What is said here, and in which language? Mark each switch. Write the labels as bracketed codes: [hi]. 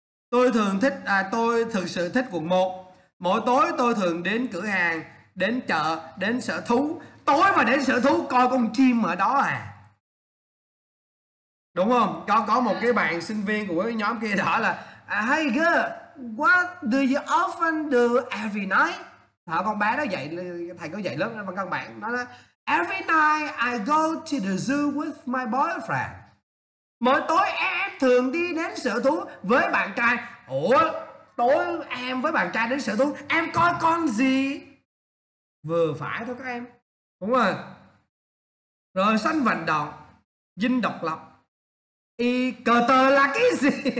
[vi] Tôi thường thích tôi thực sự thích quận 1. Mỗi tối tôi thường đến cửa hàng, đến chợ, đến sở thú. Tối mà đến sở thú coi con chim ở đó à, đúng không? Có một cái bạn sinh viên của cái nhóm kia đó là [en] hey girl, what do you often do every night? [vi] Thả con bé đó dạy, thầy có dạy lớp văn căn bản. Nó nói [en] every night I go to the zoo with my boyfriend. [vi] Mỗi tối em thường đi đến sở thú với bạn trai. Ủa, tối em với bạn trai đến sở thú, em coi con gì? Vừa phải thôi các em, đúng rồi. Rồi sân vận động, dinh độc lập, y cờ tờ là cái gì?